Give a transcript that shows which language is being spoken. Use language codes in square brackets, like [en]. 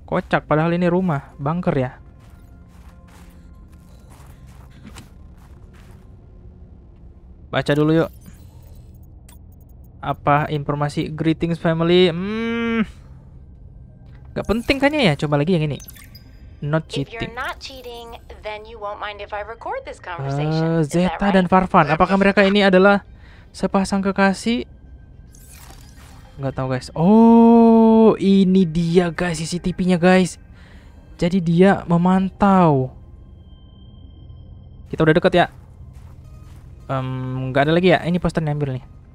[id] Kocak, padahal ini rumah, bunker ya. Baca dulu yuk. Apa informasi greetings family? Gak penting kayaknya ya, coba lagi yang ini. [en] Not cheating. Then you won't mind if I record this conversation. Zeta right? [id] Dan Farvan, apakah mereka ini adalah sepasang kekasih? Nggak tahu guys. Oh, ini dia guys CCTV-nya guys. Jadi dia memantau. Kita udah deket ya. Nggak ada lagi ya. Ini posternya, ambil nih.